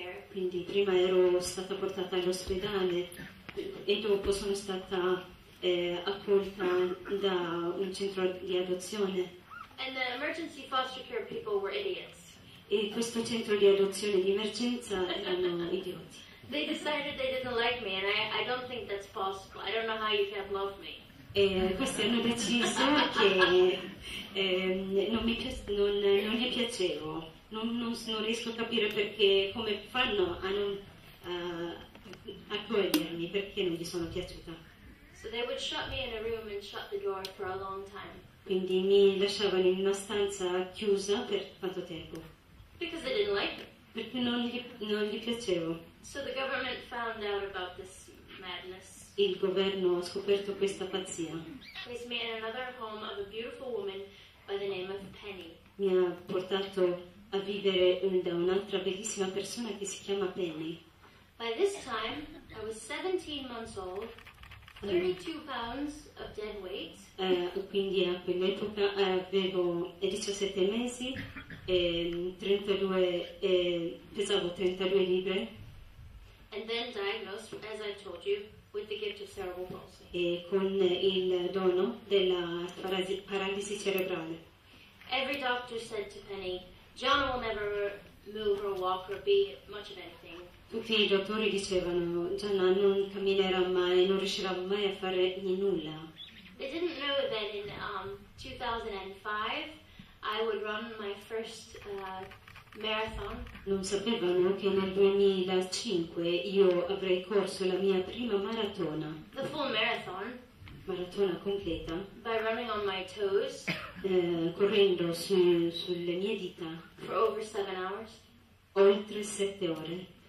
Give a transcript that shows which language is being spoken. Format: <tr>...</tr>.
<it>Quindi prima ero stata portata all'ospedale e dopo sono stata accolta da un centro di adozione.</it> <en>And the emergency foster care people were idiots.</en> <it>E questo centro di adozione di emergenza erano idioti.</it> <en>They decided they didn't like me, and I don't think that's possible. I don't know how you can love me.</en> <it>E questi hanno deciso che non gli piacevo. Non riesco a capire perché, come fanno a non accogliermi, perché non gli sono piaciuta.</it> <en>So they would shut me in a room and shut the door for a long time.</en> <it>Quindi mi lasciavano in una stanza chiusa per quanto tempo?</it> <en>Because they didn't like me.</en> <it>Perché non gli piacevo.</it> <en>So the government found out about this madness.</en> <it>Il governo ha scoperto questa pazzia.</it> <en>Placed me in another home of a beautiful woman by the name of Penny.</en> <it>Mi ha portato a vivere da un'altra bellissima persona che si chiama Penny.</it> <en>By this time, I was 17 months old, 32 pounds of dead weight.</en> <it>Quindi a quell'epoca avevo 17 mesi e pesavo 32 libbre.</it> <en>And then diagnosed, as I told you, With the gift of cerebral palsy.</en> <it>E con il dono della paralisi cerebrale.</it> <en>Every doctor said to Penny, John will never move or walk or be much of anything.</en> <it>Tutti i dottori dicevano, Gianna non camminerà mai, non riuscirà mai a fare ni nulla.</it> <en>They didn't know that in 2005 I would run my first marathon.</en> <it>Non sapevano che nel 2005 io avrei corso la mia prima maratona.</it> <en>The full marathon.</en> <it>Maratona completa.</it> <en>By running on my toes.</en> <it>Correndo sulle mie dita.</it> <en>For over 7 hours.</en> <it>Oltre 7 ore.</it>